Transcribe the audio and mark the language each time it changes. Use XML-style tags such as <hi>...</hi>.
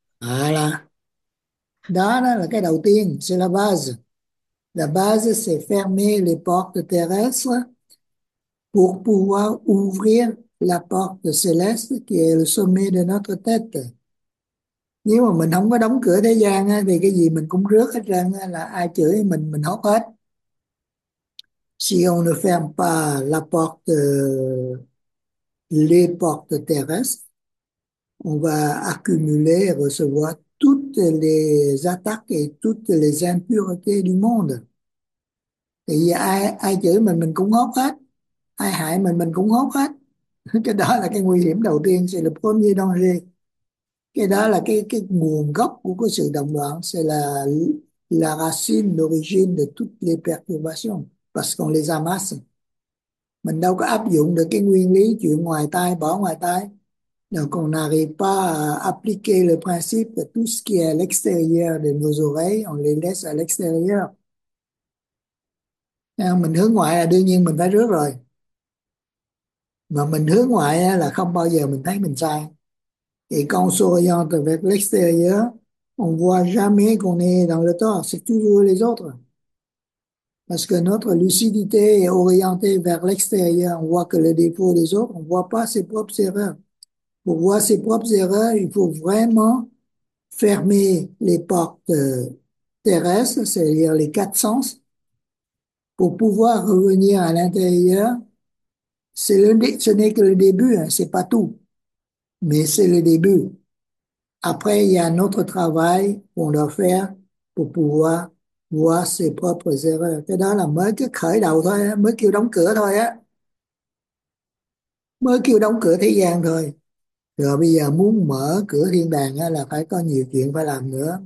<vi>À là đó, đó là cái đầu tiên,</vi> <fr>c'est la base. La base c'est fermer les portes terrestres pour pouvoir ouvrir la porte céleste qui est le sommet de notre tête.</fr> <vi>Nếu mà mình không có đóng cửa thế gian á, thì cái gì mình cũng rước hết trơn á, là ai chửi mình hốt hết.</vi> <fr>Si on ne ferme pas la porte, les portes terrestres, on va accumuler et recevoir toutes les attaques et toutes les impuretés du monde.</fr> <vi>Thì ai ai chửi mình cũng hốt hết, ai hại mình cũng hốt hết. Cái đó là cái nguy hiểm đầu tiên,</vi> <fr>c'est le premier danger.</fr> <vi>Cái đó là cái nguồn gốc của cái sự động loạn,</vi> <fr>c'est la racine, l'origine de toutes les perturbations, parce qu'on les amasse.</fr> <vi>Mình đâu có áp dụng được cái nguyên lý chuyện ngoài tai bỏ ngoài tai.</vi> <fr>Donc on n'arrive pas à appliquer le principe de tout ce qui est à l'extérieur de nos oreilles, on les laisse à l'extérieur.</fr> <vi>Mình hướng ngoại là đương nhiên mình phải rước rồi. Mà mình hướng ngoại là không bao giờ mình thấy mình sai.</vi> <fr>Et quand on s'oriente vers l'extérieur, on voit jamais qu'on est dans le tort, c'est toujours les autres. Parce que notre lucidité est orientée vers l'extérieur, on voit que le défaut des autres, on voit pas ses propres erreurs. Pour voir ses propres erreurs, il faut vraiment fermer les portes terrestres, c'est-à-dire les quatre sens, pour pouvoir revenir à l'intérieur. Ce n'est que le début, hein, c'est pas tout. Mais c'est le début. Après, il y a un autre travail qu'on doit faire pour pouvoir voir ses propres erreurs.</fr> <vi>Cái đó là mới cái khởi đầu thôi, mới kêu đóng cửa thôi á. Mới kêu đóng cửa thế gian thôi. Rồi bây giờ muốn mở cửa thiên đàng á, là phải có nhiều chuyện phải làm nữa.</vi>